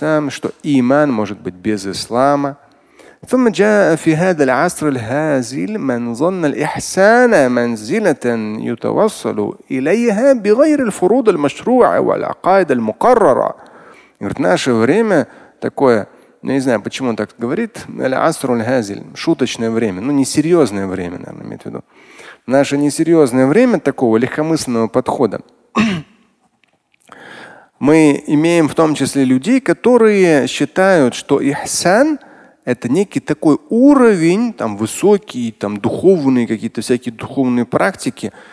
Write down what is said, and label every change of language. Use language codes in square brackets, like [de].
[ru] Что иман может быть без ислама. [ar] ثم جاء في هذا العصر الهازل من ظن الإحسان منزلة يتوصل إليها بغير الفروض المشروعة والعقائد المقررة. [ru] Говорит, наше время такое, ну, не знаю, почему он так говорит, [ar] العصر الهازل, [ru] шуточное время, ну несерьезное время, наверное, имеет в виду. Наше несерьезное время такого легкомысленного подхода. Мы имеем в том числе людей, которые считают, что ихсан это некий такой уровень, там высокий, там духовные какие-то всякие духовные практики,